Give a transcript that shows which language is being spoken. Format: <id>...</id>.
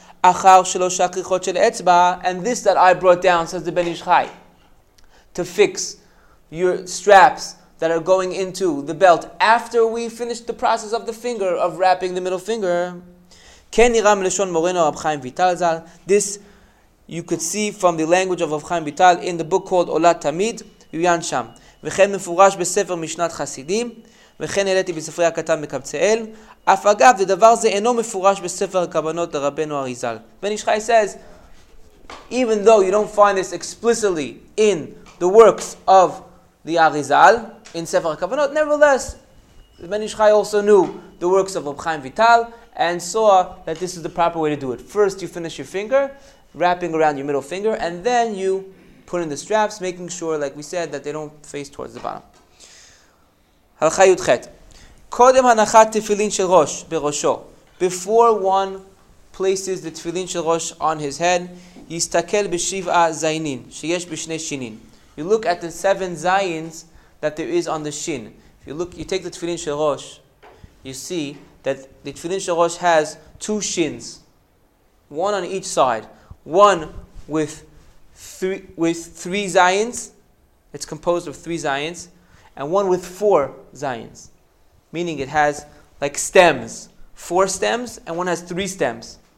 <he>Achar shelosha krichot shel etzba.</he> <en>And this that I brought down, says the Ben Ish Chai, to fix your straps that are going into the belt after we finish the process of the finger, of wrapping the middle finger.</en> <he>Ken yiram leshon moreno Rav Chaim Vital Zal.</he> <en>This you could see from the language of Rav Chaim Vital in the book called Olat Tamid, Yuyan Sham.</en> <he>וכן מפורש בספר משנת חסידים, וכן העליתי בספרי הקטן מקבצאל. אף אגב, הדבר זה אינו מפורש בספר הכוונות לרבנו אריזל.</he> <en>בן איש חי says, even though you don't find this explicitly in the works of the אריזל, in ספר הכוונות, nevertheless, בן איש חי also knew the works of רב חיים ויטל, and saw that this is the proper way to do it. First, you finish your finger, wrapping around your middle finger, and then you put in the straps, making sure, like we said, that they don't face towards the bottom.</en> <he>הלכה י' ח' קודם הנחת תפילין של ראש בראשו,</he> <en>before one places the תפילין של ראש on his head,</en> <he>יסתכל בשבעה זיינין, שיש בשני שינין.</he> <en>You look at the seven zayins that there is on the shin. If you look, you take the תפילין של ראש, you see that the תפילין של ראש has two shins, one on each side, one with three zayins, it's composed of three zayins, and one with four zayins, meaning it has like stems, four stems, and one has three stems.</en>